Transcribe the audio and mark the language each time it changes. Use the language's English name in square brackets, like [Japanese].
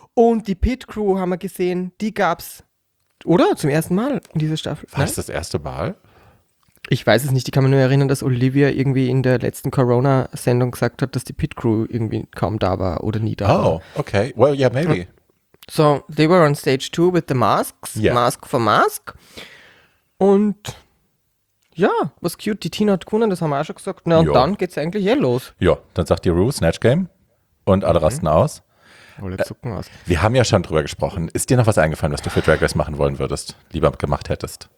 [German] Und die Pit Crew haben wir gesehen. Die gab's, oder? Zum ersten Mal in dieser Staffel. War das erste Mal? Ich weiß es nicht, ich kann mich nur erinnern, dass Olivia irgendwie in der letzten Corona-Sendung gesagt hat, dass die Pit Crew irgendwie kaum da war oder nie da war. [English] Oh, okay. Well, yeah, maybe. So, they were on stage 2 with the masks, yeah. Mask for mask. [German] Und ja, [English] was cute, [German] die Tina hat gewonnen, das haben wir auch schon gesagt. Na, und jo. Dann geht's eigentlich hier los. Ja, dann sagt die Ru, Snatch Game und alle rasten aus. Alle zucken aus. Wir haben ja schon drüber gesprochen. Ist dir noch was eingefallen, was du für Drag Race machen wollen würdest, lieber gemacht hättest?